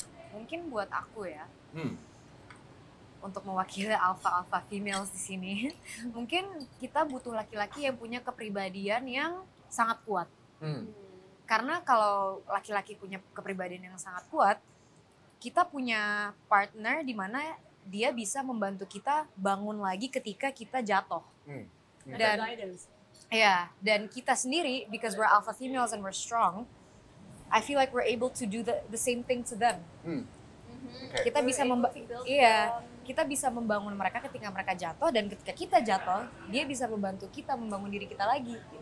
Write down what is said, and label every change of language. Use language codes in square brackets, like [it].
[id] Mungkin buat aku ya, untuk mewakili alpha-alpha females di sini, mungkin kita butuh laki-laki yang punya kepribadian yang sangat kuat. Karena kalau laki-laki punya kepribadian yang sangat kuat, kita punya partner di mana dia bisa membantu kita bangun lagi ketika kita jatuh. Dan guidance. Ya, dan kita sendiri [en] because we're alpha females and we're strong, I feel like we're able to do the same thing to them. [id] Kita bisa kita bisa membangun mereka ketika mereka jatuh dan ketika kita jatuh, dia bisa membantu kita membangun diri kita lagi.